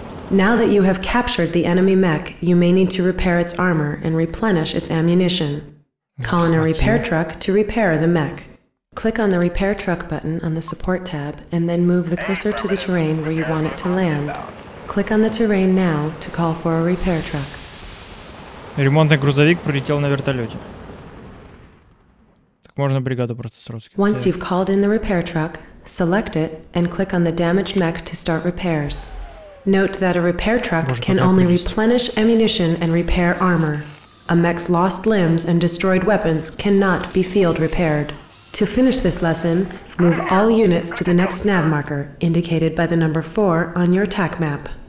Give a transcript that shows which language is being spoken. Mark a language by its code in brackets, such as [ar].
[en] Now that you have captured the enemy mech, you may need to repair its armor and replenish its ammunition. Call in a repair truck to repair the mech. Click on the repair truck button on the support tab, and then move the cursor to the terrain where you want it to land. Click on the terrain now to call for a repair truck. [ru] Ремонтный грузовик прилетел на вертолете. Можно бригаду просто сразу скинуть. [en] Once you've called in the repair truck, select it and click on the damaged mech to start repairs. Note that a repair truck can only replenish ammunition and repair armor. A mech's lost limbs and destroyed weapons cannot be field repaired. To finish this lesson, move all units to the next nav marker, indicated by the number 4 on your attack map.